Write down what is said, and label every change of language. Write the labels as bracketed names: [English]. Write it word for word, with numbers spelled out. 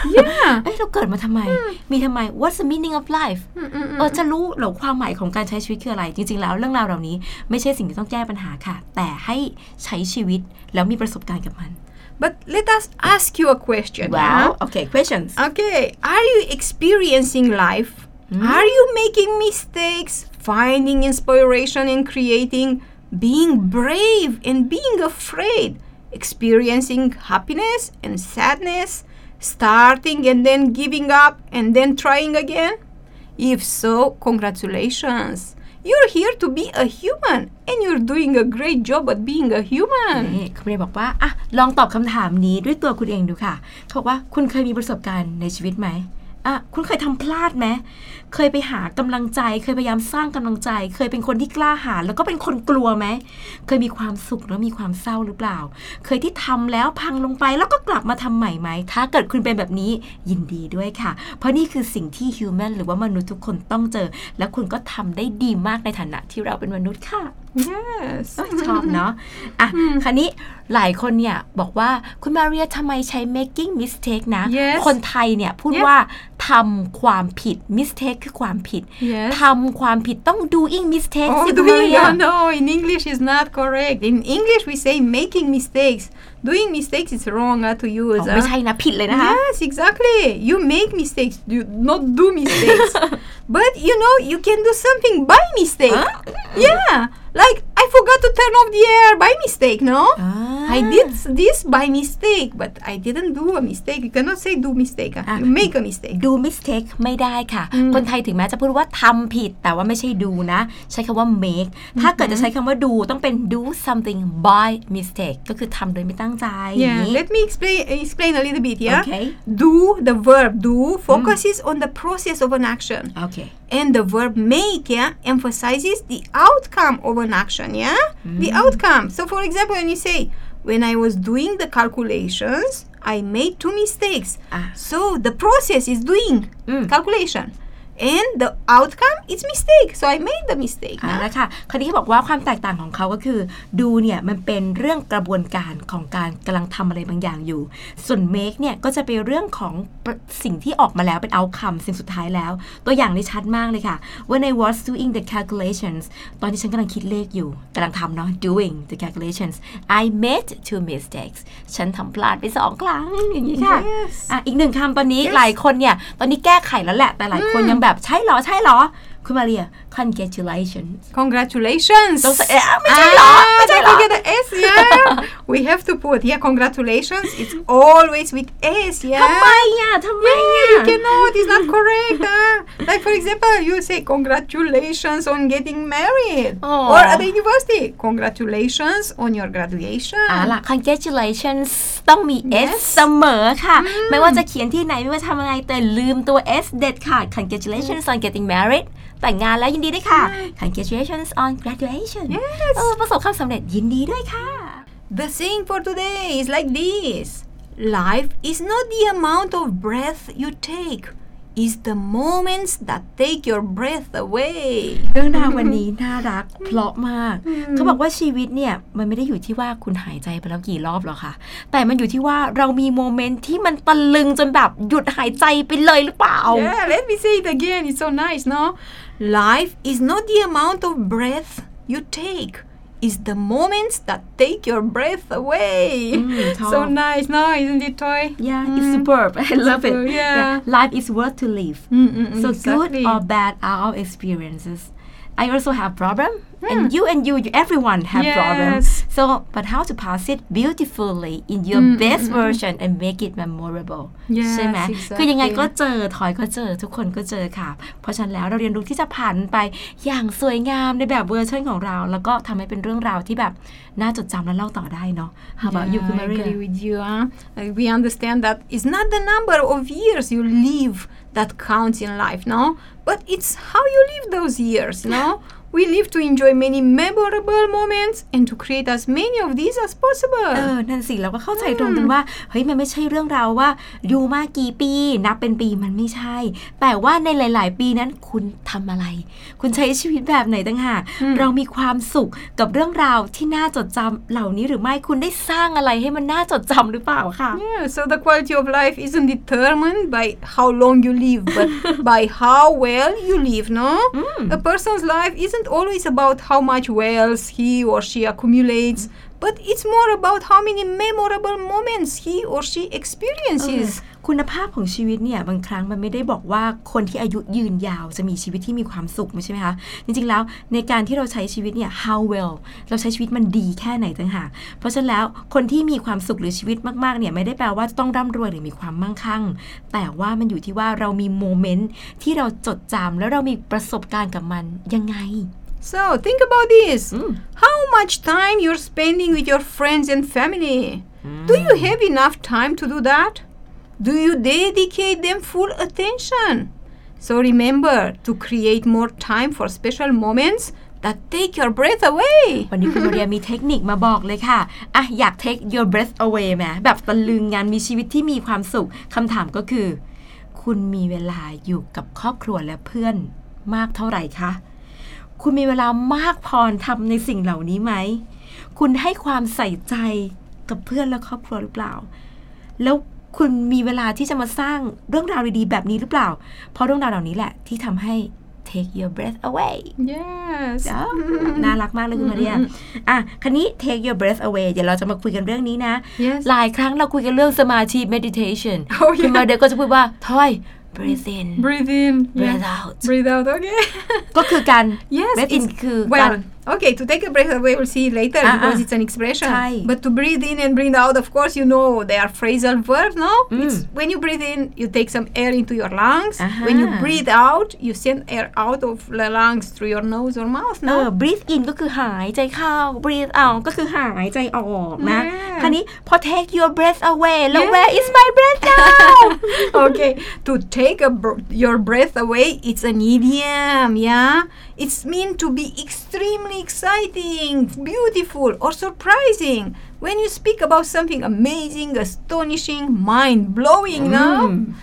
[English] Yeah. [Thai] เอ้ยเราเกิดมาทำไม มีทำไม [English] what's the meaning of life [Thai] เออจะรู้เหรอความหมายของการใช้ชีวิตคืออะไร จริงๆแล้วเรื่องราวเหล่านี้ไม่ใช่สิ่งที่ต้องแก้ปัญหาค่ะ แต่ให้ใช้ชีวิตแล้วมีประสบการณ์กับมัน [English] But let us ask you a question. yeah? [Thai] โอเค [English] questions Okay, are you experiencing life? Are you making mistakes, finding inspiration and creating, being brave and being afraid, experiencing happiness and sadness, starting and then giving up and then trying again? If so, congratulations. You're here to be a human and you're doing a great job at being a human. [Thai] นี่คุณเรย์บอกว่าอ่ะลองตอบคำถามนี้ด้วยตัวคุณเองดูค่ะเขาบอกว่าคุณเคยมีประสบการณ์ในชีวิตไหมอ่ะคุณเคยทำพลาดไหมเคยไปหากำลังใจ เคยพยายามสร้างกำลังใจ เคยเป็นคนที่กล้าหาญแล้วก็เป็นคนกลัวไหมเคยมีความสุขแล้วมีความเศร้าหรือเปล่า เคยที่ทำแล้วพังลงไปแล้วก็กลับมาทำใหม่ไหมถ้าเกิดคุณเป็นแบบนี้ยินดีด้วยค่ะ เพราะนี่คือสิ่งที่ human หรือว่ามนุษย์ทุกคนต้องเจอ และคุณก็ทำได้ดีมากในฐานะที่เราเป็นมนุษย์ค่ะ [English] Yes. [Thai] เอ้ยชอบเนาะอ่ะคันนี้หลายคนเนี่ยบอกว่าคุณมาเรียทำไมใช้ [English] making mistake [Thai] นะ [English] Yes [Thai] คนไทยเนี่ยพูด [English] Yes [Thai] ว่าทำความผิด mistake คือความผิด [English] Yes [Thai] ทำความผิดต้อง [English] doing mistake [Thai] สิ Oh, คุณมา [English] doing [Thai] เรีย [English] no, no. In English, is not correct. In English, we say making mistakes. Doing mistakes is wrong uh, to อ๋ use. อ uh. [Thai] ไม่ใช่นะผิดเลยนะคะ [English] Yes, exactly. You make mistakes, you not do mistakes. But you know, you can do something by mistake. Yeah, like I forgot to turn off the air by mistake. No, I did s- this by mistake, but I didn't do a mistake. You cannot say do mistake. uh. Ah. You make a mistake. do mistake [Thai] ไม่ได้ค่ะ คนไทยถึงแม้จะพูดว่าทำผิดแต่ว่าไม่ใช่ do นะ ใช้คำว่า make ถ้าเกิดจะใช้คำว่า do ต้องเป็น [English] do something by mistake [Thai] ก็คือทำโดยไม่ตั้งใจอย่าง [English] Yeah, [Thai] นี้ [English] let me explain explain a little bit. Yeah, Okay. do the verb do focuses on the process of an action, [Thai] โอเค [English] and the verb make yeah emphasizes the outcome of an action. Yeah, the outcome. So, for example, when you say when I was doing the calculations, I made two mistakes. Ah. So the process is doing Mm. calculation, and the outcome is mistake. So I made the mistake. อ่า [Thai] นะ แล้วค่ะคราวนี้เขาบอกว่าความแตกต่างของเขาก็คือดูเนี่ยมันเป็นเรื่องกระบวนการของการกำลังทำอะไรบางอย่างอยู่ ส่วน make เนี่ยก็จะเป็นเรื่องของสิ่งที่ออกมาแล้วเป็น outcome สิ่งสุดท้ายแล้ว ตัวอย่างนี่ชัดมากเลยค่ะ [English] when I was doing the calculations [Thai] ตอนที่ฉันกำลังคิดเลขอยู่กำลังทำเนาะ [English] doing the calculations I made two mistakes [Thai] ฉันทำพลาดไปสองครั้งอย่างนี้ค่ะ [English] Yes. [Thai] อ่ะอีกหนึ่งคำตอนนี้หลายคนเนี่ยตอนนี้แก้ไขแล้วแหละแต่หลายคนยังแบบใช่เหรอใช่เหรอคุณมาเรีย congratulations [English] Congratulations. [Thai] ต้องใส่เอ๊ะไม่ใช่เหรอ Ah, ไม่ใช่ [English] don't [Thai] เหรอ [English] forget the S, yeah. We have to put here congratulations. It's always with S, yeah. [Thai] ทำไมอ่ะทำไม [English] Yeah, อ่ะ you cannot. It's not correct. Huh? Like for example, you say congratulations on getting married, Oh. or at the university, congratulations on your graduation. [Thai] อ่าล่ะ congratulations ต้องมี [English] Yes. [Thai] S เสมอค่ะ ไม่ว่าจะเขียนที่ไหนไม่ว่าทำอะไรแต่ลืมตัว S เด็ดขาด [English] congratulations on getting married [Thai] แต่งงานแล้วยินดีด้วยค่ะ [English] congratulations on graduation [Thai] เออประสบความสำเร็จยินดีด้วยค่ะ [English] The saying for today is like this. Life is not the amount of breath you take, it's the moments that take your breath away. [Thai] เรื่องราววันนี้น่ารักเพราะมาก เขาบอกว่าชีวิตเนี่ยมันไม่ได้อยู่ที่ว่าคุณหายใจไปแล้วกี่รอบหรอกค่ะ แต่มันอยู่ที่ว่าเรามีโมเมนต์ที่มันตะลึงจนแบบหยุดหายใจไปเลยหรือเปล่า [English] Yeah, let me say it again. It's so nice, no? Life is not the amount of breath you take. It's the moments that take your breath away. Mm, so top. nice, no? Isn't it, Toy? Yeah, it's superb. I love it. Superb, yeah. Life is worth to live. Mm-mm-mm, So exactly. good or bad are our experiences. I also have problem, and you and you, you everyone have problem. Yes. So, but how to pass it beautifully in your best version and make it memorable. Yes, [Thai] ใช่ไหม [English] exactly. [Thai] คือยังไงก็เจอทอยก็เจอทุกคนก็เจอค่ะ เพราะฉะนั้นแล้วเราเรียนรู้ที่จะผ่านไปอย่างสวยงามในแบบเวอร์ชันของเรา แล้วก็ทำให้เป็นเรื่องราวที่แบบน่าจดจำและเล่าต่อได้เนาะ [English] How about you, Yeah, I agree with you. Huh? Uh, we understand that it's not the number of years you live that counts in life, no? But it's how you live those years, no? We live to enjoy many memorable moments and to create as many of these as possible. เออ นั่นสิ เราก็เข้าใจตรงกันว่า เฮ้ย มันไม่ใช่เรื่องราวว่าอยู่มากี่ปี นับเป็นปีมันไม่ใช่ แต่ว่าในหลาย ๆ ปีนั้นคุณทำอะไร คุณใช้ชีวิตแบบไหนต่างหาก เรามีความสุขกับเรื่องราวที่น่าจดจำเหล่านี้หรือไม่ คุณได้สร้างอะไรให้มันน่าจดจำหรือเปล่าค่ะ Yeah, so the quality of life isn't determined by how long you live, but by how well you live, no? A person's life isn't always about how much wealth he or she accumulates, but it's more about how many memorable moments he or she เออ experiences. [Thai] คุณภาพของชีวิตเนี่ยบางครั้งมันไม่ได้บอกว่าคนที่อายุยืนยาวจะมีชีวิตที่มีความสุขไม่ใช่ไหมคะจริงๆแล้วในการที่เราใช้ชีวิตเนี่ย [English] how well [Thai] เราใช้ชีวิตมันดีแค่ไหนต่างหากเพราะฉะนั้นแล้วคนที่มีความสุขหรือชีวิตมากๆเนี่ยไม่ได้แปลว่าต้องร่ำรวยหรือมีความมั่งคั่ง แต่ว่ามันอยู่ที่ว่าเรามีโมเมนต์ที่เราจดจำแล้วเรามีประสบการณ์กับมันยังไง [English] So think about this. Mm. How much time you're spending with your friends and family? Do you have enough time to do that? Do you dedicate them full attention? So remember to create more time for special moments that take your breath away. [Thai] วันนี้คุณมาเรียมีเทคนิคมาบอกเลยค่ะอ่ะอยาก [English] take your breath away [Thai] ไหมแบบตะลึงงานมีชีวิตที่มีความสุขคำถามก็คือ คุณมีเวลาอยู่กับครอบครัวและเพื่อนมากเท่าไหร่คะคุณมีเวลามากพอทำในสิ่งเหล่านี้ไหมคุณให้ความใส่ใจกับเพื่อนและครอบครัวหรือเปล่า แล้วคุณมีเวลาที่จะมาสร้างเรื่องราวดีๆแบบนี้หรือเปล่า เพราะเรื่องราวเหล่านี้แหละที่ทำให้ take your breath away [English] Yes. [Thai] อ๋อน่ารักมากเลยคุณมาเรียอ่ะคันนี้ [English] take your breath away [Thai] เดี๋ยวเราจะมาคุยกันเรื่องนี้นะ [English] Yes. [Thai] หลายครั้งเราคุยกันเรื่องสมาธิ meditation [English] Oh, yeah. [Thai] คุณมาเรียก็จะพูดว่าทอย [English] breathe in Breathe in. breathe Yeah. out Breathe out. Okay. [Thai] ก็คือการ [English] Yes, breathe in [Thai] คือการ [English] Well, okay, to take a breath away, we'll see it later Ah, because ah. it's an expression. [Thai] Chai. [English] But to breathe in and breathe out, of course, you know they are phrasal verbs, no? It's when you breathe in, you take some air into your lungs. When you Aha. breathe out, you send air out of the lungs through your nose or mouth, เอ no? [Thai] อ [English] breathe in [Thai] ก็คือหายใจเข้า [English] breathe out [Thai] ก็คือหายใจออกนะ [English] Yeah. [Thai] คันนี้พอ [English] take your breath away [Thai] แล้ว [English] Yes. where is my breath now Okay, to take a br- your breath away, it's an idiom, yeah? It's mean to be extremely exciting, beautiful, or surprising. When you speak about something amazing, astonishing, mind-blowing, no?